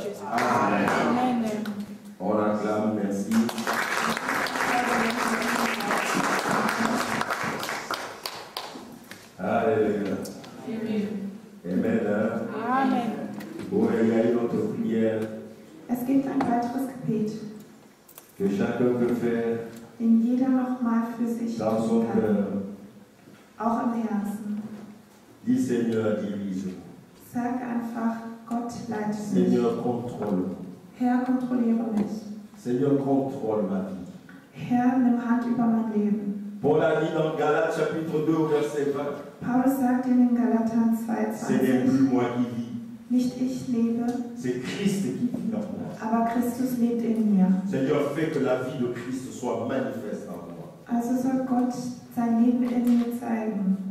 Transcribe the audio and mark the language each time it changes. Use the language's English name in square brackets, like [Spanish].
[French] Amen. On acclame, merci. Alléluia. Amen. Amen. Oui, il y a une autre prière. [German] Es gibt ein weiteres Gebet. [French] Que chacun peut faire. [German] Den jeder noch mal für sich tun kann. Cœur. Auch im Herzen. [French] Dis Seigneur, dirige-moi. [German] Sag einfach, Gott leite mich. [French] Seigneur, contrôle. [German] Herr, kontrolliere mich. [French] Seigneur, contrôle ma vie. [German] Herr, nimm Hand über mein Leben. [French] Paul a dit dans Galates chapitre 2 verset 20. [German] Paulus sagt in den Galatern 2:20. [French] C'est bien plus moi qui vis. [German] Nicht ich lebe, [French] c'est Christ qui vit en moi. [German] Aber Christus lebt in mir. [French] Seigneur, fais que la vie de Christ soit manifeste en moi. [German] Also soll Gott sein Leben in mir zeigen.